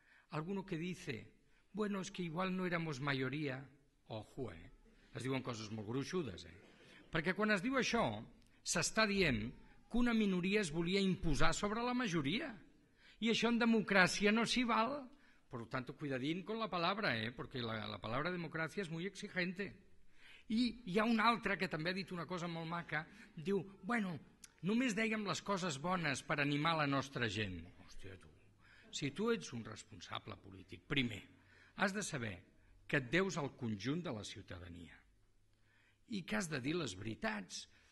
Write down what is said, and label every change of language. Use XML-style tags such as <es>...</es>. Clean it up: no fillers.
<es>Alguno que dice, bueno, es que igual no éramos mayoría, ojo,</es> <ca>es diuen coses molt gruixudes, perquè quan es diu això, s'està dient que una minoria es volia imposar sobre la majoria, i això en democràcia no s'hi val.</ca> <es>Por lo tanto, cuidadín con la palabra, porque la palabra democracia es muy exigente.</es> <ca>I hi ha una altra que també ha dit una cosa molt maca, diu, bueno, només dèiem les coses bones per animar la nostra gent. Hòstia, tu, si tu ets un responsable polític, primer, has de saber que et deus al conjunt de la ciutadania i que has de dir les veritats.</ca>